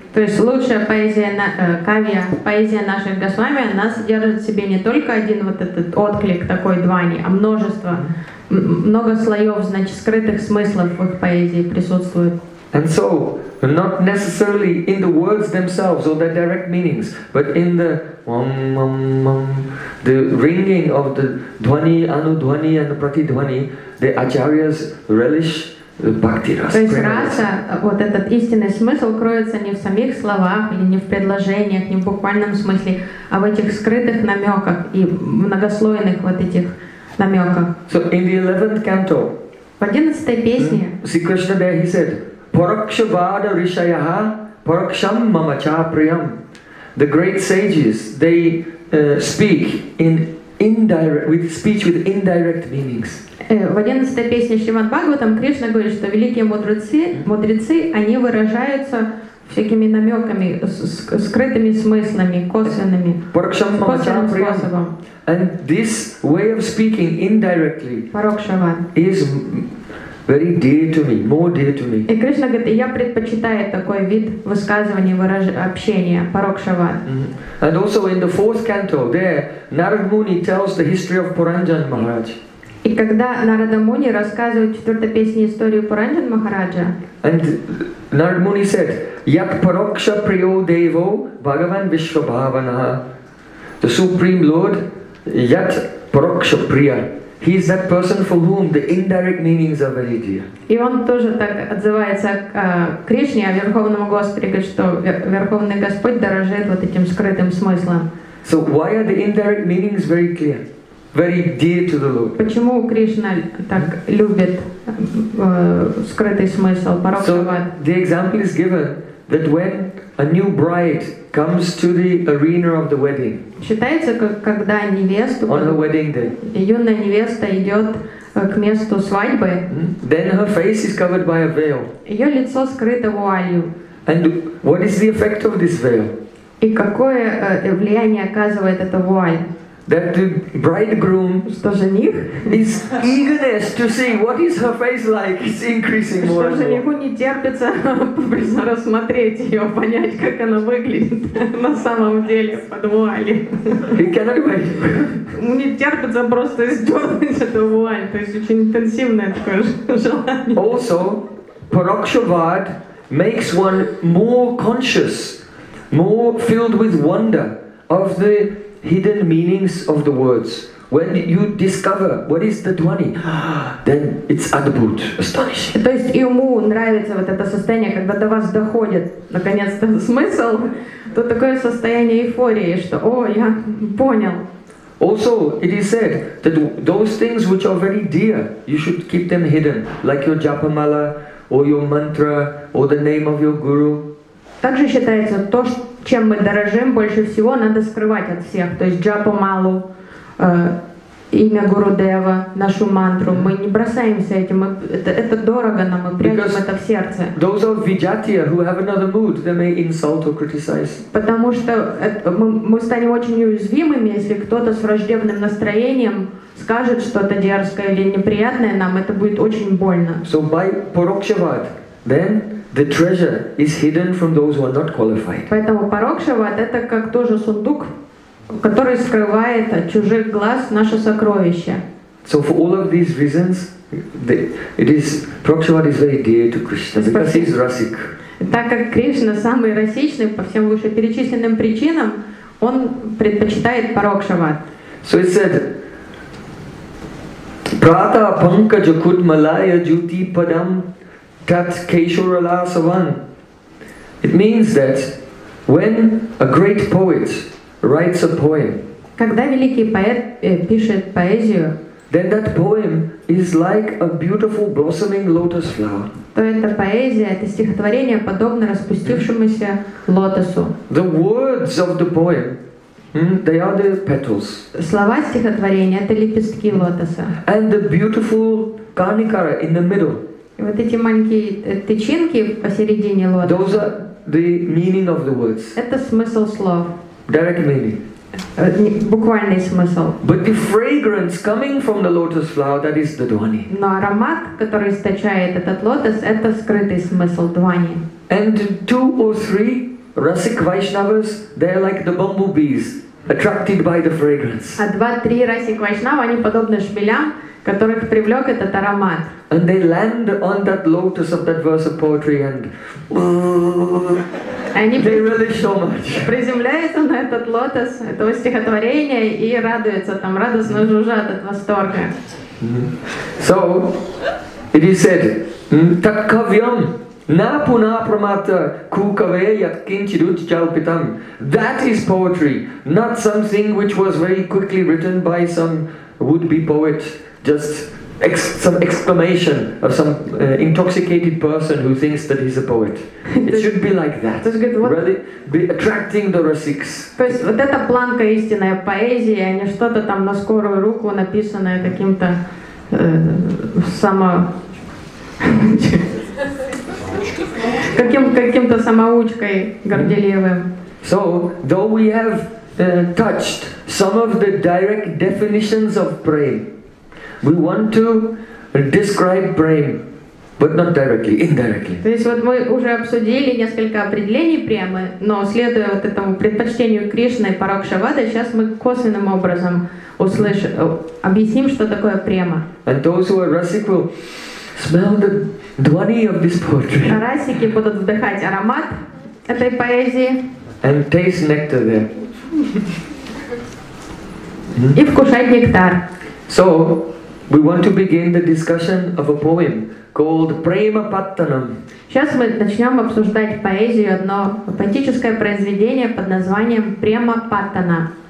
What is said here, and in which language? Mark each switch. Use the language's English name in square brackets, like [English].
[Russian] То есть лучшая поэзия, кавья, поэзия наших госвами, она содержит в себе не только один вот этот отклик такой дхвани, а множество, много слоев, значит, скрытых смыслов в их поэзии присутствует. [English] And so, not necessarily in the words themselves or their direct meanings, but in the the ringing of the dhvani, anudhvani and the pratidhvani, the acharyas relish [Russian] То есть раса, вот этот истинный смысл кроется не в самих словах или не в предложениях, не в буквальном смысле, а в этих скрытых намеках и многослойных вот этих намеках. [English] So in the 11th canto, [Russian] в 11-й песне, [English] Sri Krishna there he said, [Sanskrit] Paraksha vada rishayaha paraksham mama cha priyam. [English] The great sages, they speak in indirect, with speech with indirect meanings. [Russian] В 11-й песне Шримад Бхагаватам Кришна говорит, что великие мудрецы, они выражаются всякими намеками, скрытыми смыслами, косвенными, [Sanskrit] Paraksham [Russian] косвенным способом. [English] And this way of speaking indirectly is very dear to me, more dear to me. [Russian] И Кришна говорит, я предпочитаю такой вид высказывания, общения, парокшаван. [English] And also in the 4th canto, there Narad Muni tells the history of Puranjan Maharaj. [Russian] И когда Нарада Муни рассказывает в 4-й песне историю Пуранджан Махараджа, [English] and Narad Muni said, [Sanskrit] Yak Paroksha Priyo Devo Bhagavan Vishwabhavana. [English] The Supreme Lord, [Sanskrit] Yat Paroksha Priya. [English] He is that person for whom the indirect meanings are very dear. [Russian] И он тоже так отзывается к Кришне, о Верховном Господе, говорит, что Верховный Господь дорожит вот этим скрытым смыслом. [English] So why are the indirect meanings very clear, very dear to the Lord? [Russian] Почему Кришна так любит скрытый смысл Парабхагаван? [English] So the example is given that when a new bride comes to the arena of the wedding. [Russian] Считается, как когда невесту. [English] On the wedding day. [Russian] Юная невеста идет к месту свадьбы. [English] Then her face is covered by a veil. [Russian] Ее лицо скрыто вуалью. [English] And what is the effect of this veil? [Russian] И какое влияние оказывает эта вуаль? [English] That the bridegroom is eagerness to see what is her face like is increasing more. [Russian] Что жениху не терпится поближе рассмотреть ее, понять, как она выглядит на самом деле под вуалью. [English] He cannot wait. [Russian] Не терпится просто сдернуть эту вуаль, то есть очень интенсивное такое желание. [English] Also, parokshavad makes one more conscious, more filled with wonder of the hidden meanings of the words. When you discover what is the dhwani, then it's adbhut, astonishing. [Russian] То есть ему нравится вот это состояние, когда до вас доходит наконец-то смысл, то такое состояние эйфории, что о, я понял. [English] Also, it is said that those things which are very dear, you should keep them hidden, like your japamala or your mantra or the name of your guru. [Russian] Также считается то, что чем мы дорожим больше всего, надо скрывать от всех. То есть джапу малу, имя Гуру Дева, нашу мантру. Мы не бросаемся этим. Мы, это дорого нам, мы прячем это в сердце. [English] Those of vijatiya who have another mood, they may insult or criticize. [Russian] Потому что мы станем очень уязвимыми, если кто-то с враждебным настроением скажет что-то дерзкое или неприятное нам, это будет очень больно. [English] So by parokshavad, then the treasure is hidden from those who are not qualified. [Russian] Поэтому парокшавад это как тоже сундук, который скрывает от чужих глаз наше сокровище. [English] So for all of these reasons, парокшавад is very dear to Krishna because he's rasik. [Russian] Так как Кришна самый расичный по всем вышеперечисленным причинам, он предпочитает парокшавад. [English] So it said, [Sanskrit] prata panka jukud malaya juti padam. That Keshuralasavan. [English] It means that when a great poet writes a poem, [Russian] когда великий поэт пишет поэзию, [English] then that poem is like a beautiful blossoming lotus flower. [Russian] То эта поэзия, это стихотворение подобно распустившемуся лотосу. [English] The words of the poem, they are the petals. [Russian] Слова стихотворения это лепестки лотоса. [English] And the beautiful Karnikara in the middle. [Russian] Вот эти маленькие тычинки посередине лотоса. [English] Those are the meaning of the words. [Russian] Это смысл слов. [English] Direct meaning. [Russian] Буквальный смысл. [English] But the fragrance coming from the lotus flower, that is the dhwani. [Russian] Но аромат, который источает этот лотос, это скрытый смысл дхвани. [English] And two or three rasik vaishnavas, they are like the bumblebees, attracted by the fragrance. [Russian] А 2-3 rasik vaishnava, они подобны шмелям, которых привлек этот аромат. [English] And they land on that lotus of that verse of poetry and they relish so much. [Russian] Приземляются на этот лотос этого стихотворения и радуются там, радостно жужжат от восторга. [English] So, it is said, [Sanskrit] takkavyam na puna pramata kukave yat kinchidut chalpitam. [English] That is poetry, not something which was very quickly written by some would-be poet, just some exclamation of some intoxicated person who thinks that he's a poet. It should be like that. Really be attracting the rasiks. [Russian] То есть вот эта планка истинная поэзия, а не что-то там на скорую руку написанное каким-то каким-то самоучкой горделивым. [English] So though we have touched some of the direct definitions of prema, we want to describe prem, but not directly, indirectly. [Russian] То есть вот мы уже обсудили несколько определений премы, но следуя вот этому предпочтению Кришны парокшавада, сейчас мы косвенным образом объясним, что такое према. [English] And those who are rasik will smell the dhwani of this poetry. [Russian] А расики будут вдыхать аромат этой поэзии. [English] And taste nectar there. [Russian] И вкушать нектар. [English] So we want to begin the discussion of a poem called Prema Pattanam. [Russian] Сейчас мы начнем обсуждать поэзию, одно поэтическое произведение под названием Prema Pattanam.